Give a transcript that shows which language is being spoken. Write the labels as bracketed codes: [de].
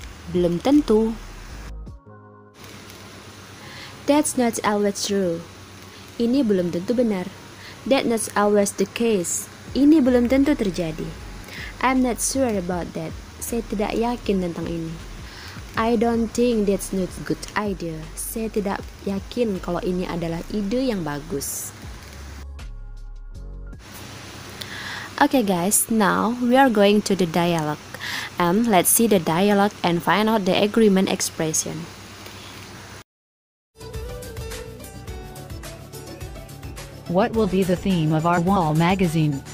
[id] Belum tentu. [en] That's not always true. [id] Ini belum tentu benar. [en] That's not always the case. [id] Ini belum tentu terjadi. [en] I'm not sure about that. [id] Saya tidak yakin tentang ini. [en] I don't think that's not a good idea. [id] Saya tidak yakin kalau ini adalah ide yang bagus. [en] Okay guys, now we are going to the dialogue. And let's see the dialogue and find out the agreement expression. What will be the theme of our wall magazine?